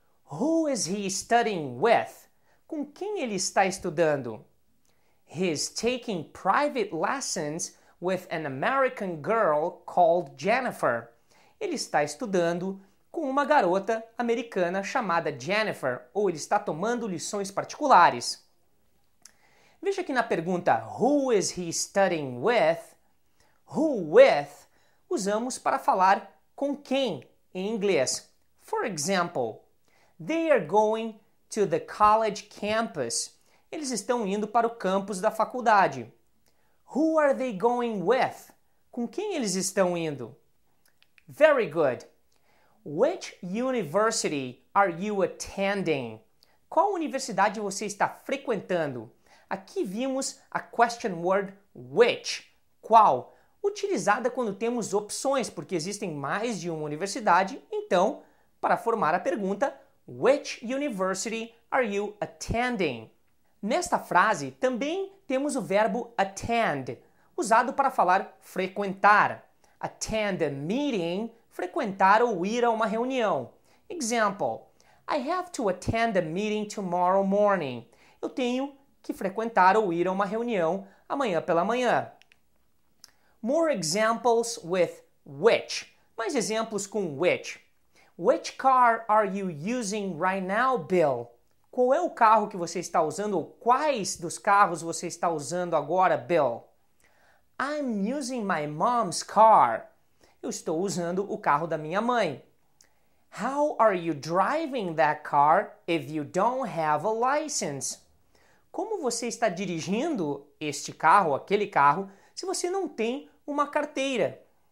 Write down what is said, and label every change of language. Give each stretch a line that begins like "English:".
English: Who is he studying with?
Portuguese: Com quem ele está estudando?
English: He is taking private lessons with an American girl called Jennifer.
Portuguese: Ele está estudando com uma garota americana chamada Jennifer, ou ele está tomando lições particulares. Veja aqui na pergunta,
English: who is he studying with? Who with?
Portuguese: Usamos para falar com quem em inglês.
English: For example, they are going to the college campus.
Portuguese: Eles estão indo para o campus da faculdade.
English: Who are they going with?
Portuguese: Com quem eles estão indo?
English: Very good. Which university are you attending?
Portuguese: Qual universidade você está frequentando? Aqui vimos a question word which, qual, utilizada quando temos opções, porque existem mais de uma universidade. Então, para formar a pergunta,
English: which university are you attending?
Portuguese: Nesta frase, também temos o verbo attend, usado para falar frequentar.
English: Attend a meeting,
Portuguese: frequentar ou ir a uma reunião.
English: Example, I have to attend a meeting tomorrow morning.
Portuguese: Eu tenho que frequentar ou ir a uma reunião amanhã pela manhã.
English: More examples with which.
Portuguese: Mais exemplos com which.
English: Which car are you using right now, Bill?
Portuguese: Qual é o carro que você está usando ou quais dos carros você está usando agora, Bill?
English: I'm using my mom's car.
Portuguese: Eu estou usando o carro da minha mãe.
English: How are you driving that car if you don't have a license?
Portuguese: Como você está dirigindo este carro, aquele carro, se você não tem uma carteira?